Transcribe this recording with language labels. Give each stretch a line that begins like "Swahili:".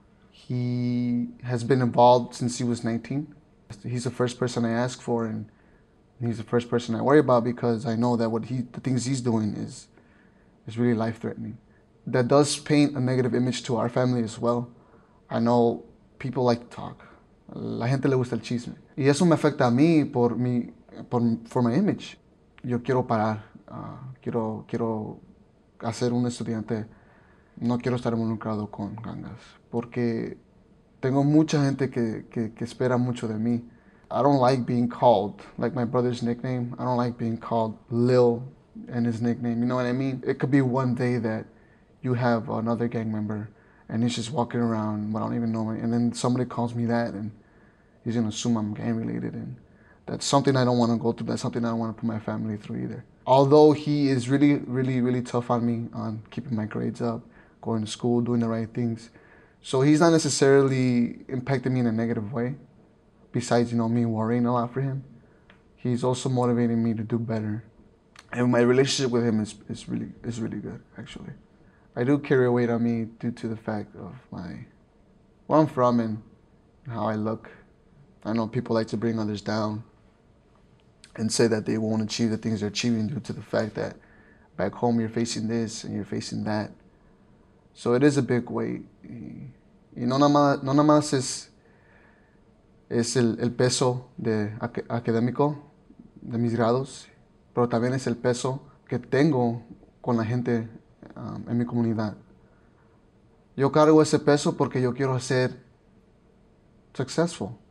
English: He has been involved since he was 19. He's the first person I ask for, and he's the first person I worry about because I know that the things he's doing is really life-threatening. That does paint a negative image to our family as well. I know people like to talk.
Spanish: La gente le gusta el chisme. Y eso me afecta a mí por
English: my image.
Spanish: Yo quiero parar. Quiero hacer un estudiante. No quiero estar involucrado con gangas. Porque tengo mucha gente que espera mucho de mí.
English: I don't like being called, like my brother's nickname. I don't like being called Lil and his nickname. You know what I mean? It could be one day that you have another gang member and he's just walking around, but I don't even know him. And then somebody calls me that and he's gonna assume I'm gang related. And that's something I don't wanna go through. That's something I don't wanna put my family through either. Although he is really, really, really tough on me on keeping my grades up, going to school, doing the right things. So he's not necessarily impacting me in a negative way. Besides, me worrying a lot for him, he's also motivating me to do better. And my relationship with him is really good, actually. I do carry a weight on me due to the fact of my where I'm from and how I look. I know people like to bring others down and say that they won't achieve the things they're achieving due to the fact that back home you're facing this and you're facing that. So it is a big weight.
Spanish: No nada más es el peso de académico de mis grados, pero también es el peso que tengo con la gente en mi comunidad. Yo cargo ese peso porque yo quiero ser successful.